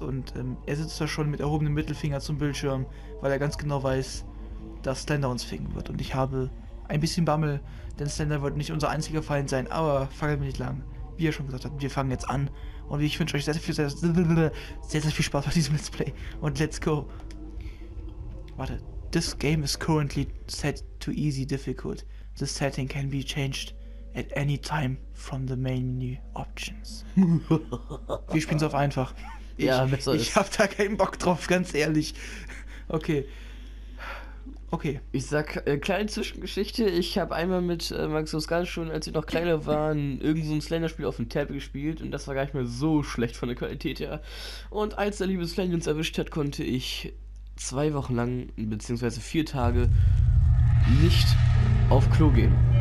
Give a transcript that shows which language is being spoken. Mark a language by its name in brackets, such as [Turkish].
[German] Und er sitzt da schon mit erhobenem Mittelfinger zum Bildschirm, weil er ganz genau weiß, dass Slender uns ficken wird. Und ich habe ein bisschen Bammel, denn Slender wird nicht unser einziger Feind sein. Aber fangen wir nicht lang. Wie ihr schon gesagt habt, wir fangen jetzt an. Und ich wünsche euch sehr, sehr viel Spaß bei diesem Let's Play. Und let's go. Warte. [English] This game is currently set to easy difficult. The setting can be changed at any time from the main menu options. [German] Wir spielen es auf einfach. Ich hab da keinen Bock drauf, ganz ehrlich. Okay. Okay. Ich sag, kleine Zwischengeschichte. Ich habe einmal mit Maxus Gallus schon, als wir noch kleiner waren, irgend so ein Slender-Spiel auf dem Tablet gespielt. Und das war gar nicht mehr so schlecht von der Qualität her. Und als der liebe Slender uns erwischt hat, konnte ich 2 Wochen lang, beziehungsweise 4 Tage, nicht auf Klo gehen.